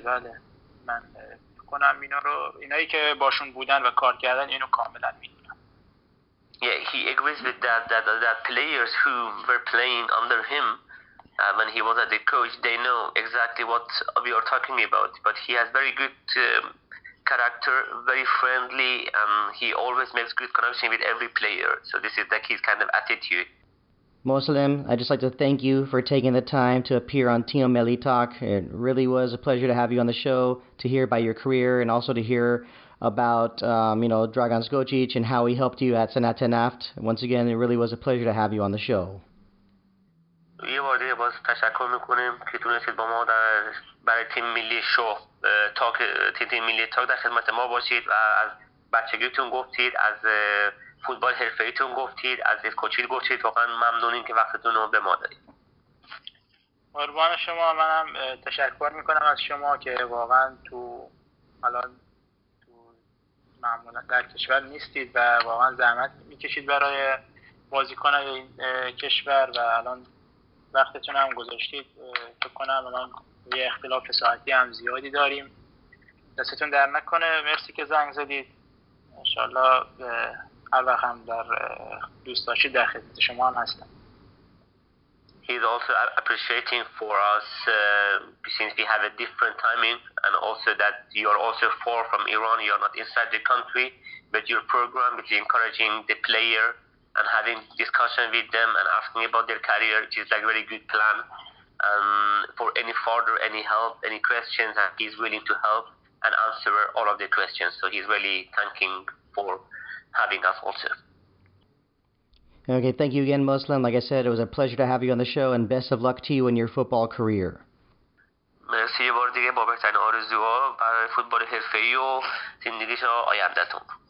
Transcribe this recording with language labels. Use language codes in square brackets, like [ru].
[fa] بله من می‌کنم اینا رو، اینایی که باشون بودن و کار کردن اینو کاملا می‌دونم. [en] Yeah, he agrees with that players who were playing under him when he was at the coach, they know exactly what we are talking about. But he has very good character, very friendly, and he always makes good connection with every player. So this is like his kind of attitude. Moslem, I'd just like to thank you for taking the time to appear on Tino Meli Talk. It really was a pleasure to have you on the show, to hear about your career, and also to hear about Dragan Skocic and how he helped you at Sanat Naft. Once again, it really was a pleasure to have you on the show. [fa] یه بار دیگه باز تشکر میکنیم که تونستید با ما برای تیم ملی شو تیم ملی تاک در خدمت ما باشید و از بچگیتون گفتید، از فوتبال حرفه‌ایتون گفتید، از اسکوچیل گفتید. واقعا ممنونیم که وقتتون رو به ما دادید. قربان شما. منم تشکر میکنم از شما که واقعا تو الان تو معمولا در کشور نیستید و واقعا زحمت میکشید برای بازیکنان این کشور و الان وقتتون هم گذاشتید. فکر کنم الان یه اختلاف ساعتی هم زیادی داریم، دستتون در نکنه. مرسی که زنگ زدید. انشالله هر وقت هم در دوست داشتید در خدمت شما هم هستم. [en] He's also appreciating for us since we have a different timing and also that you're also far from Iran, you're not inside the country, but your program is encouraging the player and having discussion with them and asking about their career, which is like a very good plan. For any further, any help, any questions, and he's willing to help and answer all of the questions. So he's really thanking for having us also. Okay, thank you again, Moslem. Like I said, it was a pleasure to have you on the show, and best of luck to you in your football career. [fa] مرسی یه بار دیگه بابتن آرزوها برای فوتبال حرفه‌ای و زندگیش آیندتون.